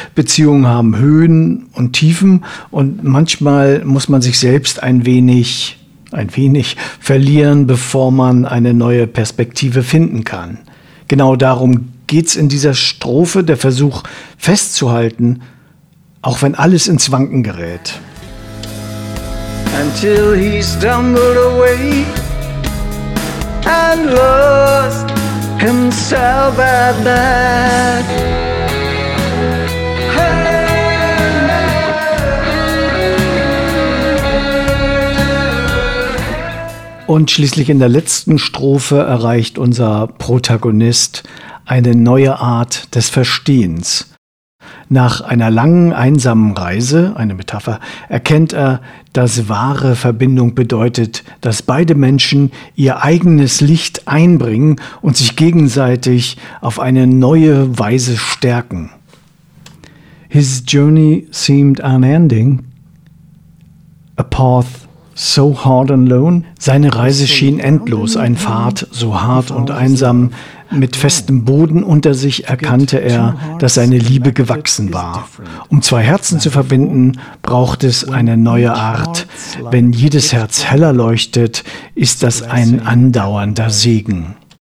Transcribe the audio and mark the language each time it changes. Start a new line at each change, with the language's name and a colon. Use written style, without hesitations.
German: Beziehungen haben Höhen und Tiefen und manchmal muss man sich selbst ein wenig verlieren, bevor man eine neue Perspektive finden kann. Genau darum geht's in dieser Strophe, der Versuch festzuhalten, auch wenn alles ins Wanken gerät.
English: Until he stumbled away and lost himself at that.
German: Und schließlich in der letzten Strophe erreicht unser Protagonist eine neue Art des Verstehens. Nach einer langen, einsamen Reise, eine Metapher, erkennt er, dass wahre Verbindung bedeutet, dass beide Menschen ihr eigenes Licht einbringen und sich gegenseitig auf eine neue Weise stärken.
English: His journey seemed unending, a path so hard and lone.
German: Seine Reise schien endlos, ein Pfad so hart und einsam. Mit festem Boden unter sich erkannte er, dass seine Liebe gewachsen war. Um zwei Herzen zu verbinden, braucht es eine neue Art. Wenn jedes Herz heller leuchtet, ist das ein andauernder Segen.